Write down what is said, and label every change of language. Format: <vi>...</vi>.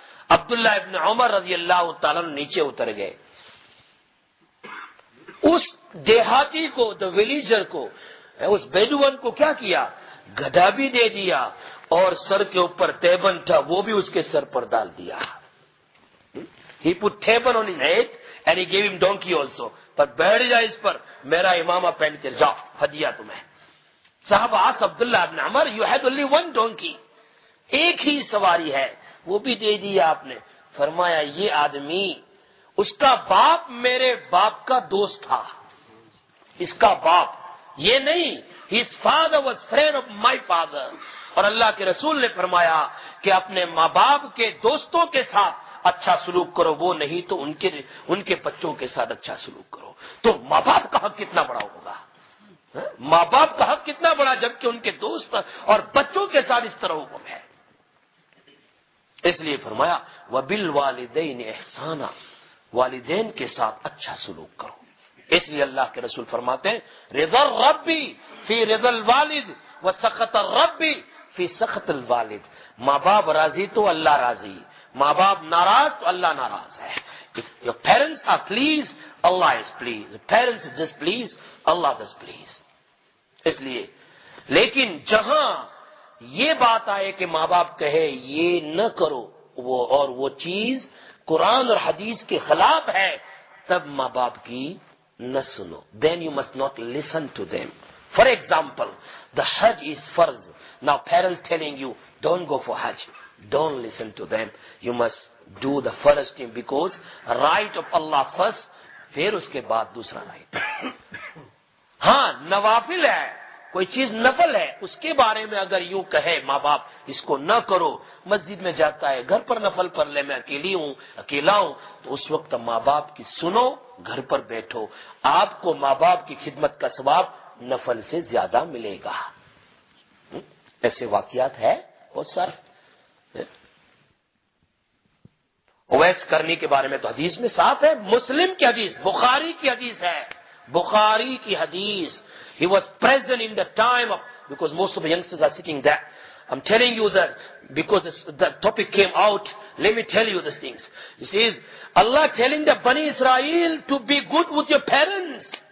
<ur>عبداللہ ابن عمر رضی اللہ تعالیٰ عنہ نیچے اتر گئے, اس دیہاتی کو،</ur> <en>the villager</en> <ur>کو، اس بیڈوان کو کیا کیا؟ گدا بھی دے دیا اور سر کے اوپر تیبن تھا وہ بھی اس کے سر پر ڈال دیا.</ur> <en>He put تیبن on his head and he gave him donkey also.</en> <ur>پر بیٹھ جا اس پر، میرا امامہ پہن کر جا، ہدیہ تمہیں. صاحب آس عبداللہ ابن عمر،</ur> <en>you had only one donkey،</en> <ur>ایک ہی سواری ہے، وہ بھی دے دیا آپ نے. فرمایا یہ آدمی اس کا باپ میرے باپ کا دوست تھا، اس کا باپ، یہ نہیں،</ur> <en>his father was friend of my father.</en> <ur>اور اللہ کے رسول نے فرمایا کہ اپنے ماں باپ کے دوستوں کے ساتھ اچھا سلوک کرو، وہ نہیں تو ان کے بچوں کے ساتھ اچھا سلوک کرو. تو ماں باپ کا حق کتنا بڑا ہوگا، ماں باپ کا حق کتنا بڑا جبکہ ان کے دوست اور بچوں کے ساتھ اس طرح حکم ہے. اس لیے فرمایا</ur> <ar>وَبِالْوَالِدَيْنِ احسانًا،</ar> <ur>والدین کے ساتھ اچھا سلوک کرو. اس لیے اللہ کے رسول فرماتے ہیں</ur> <ar>رضا ربی فی رضا الوالد وسخط ربی فی سخط الوالد.</ar> <ur>ماں باپ راضی تو اللہ راضی، ماں باپ ناراض تو اللہ ناراض ہے.</ur> <en>If your parents are pleased, Allah is pleased. If parents are displeased, Allah is displeased.</en> <ur>اس لیے لیکن جہاں یہ بات آئے کہ ماں باپ کہے یہ نہ کرو وہ اور وہ چیز قرآن اور حدیث کے خلاف ہے، تب ماں باپ کی نہ سنو.</ur> <en>Then you must not listen to them. For example, the حج is فرض. Now parents telling you don't go for حج. Don't listen to them. You must do the first thing because right of Allah first,</en> <ur>پھر اس کے بعد دوسرا right. ہاں نوافل ہے، کوئی چیز نفل ہے، اس کے بارے میں اگر یوں کہے ماں باپ اس کو نہ کرو، مسجد میں جاتا ہے، گھر پر نفل پڑھ لے، میں اکیلی ہوں، اکیلا ہوں، تو اس وقت ماں باپ کی سنو، گھر پر بیٹھو، آپ کو ماں باپ کی خدمت کا ثواب نفل سے زیادہ ملے گا. ایسے واقعات ہے وہ سر اویس کرنے کے بارے میں تو حدیث میں صاف ہے، مسلم کی حدیث، بخاری کی حدیث ہے، بخاری کی حدیث.</ur> <en>He was present in the time of, because most of the youngsters are sitting there. I'm telling you that because the topic came out, let me tell you these things. He says, Allah telling the Bani Israel to be good with your parents.</en>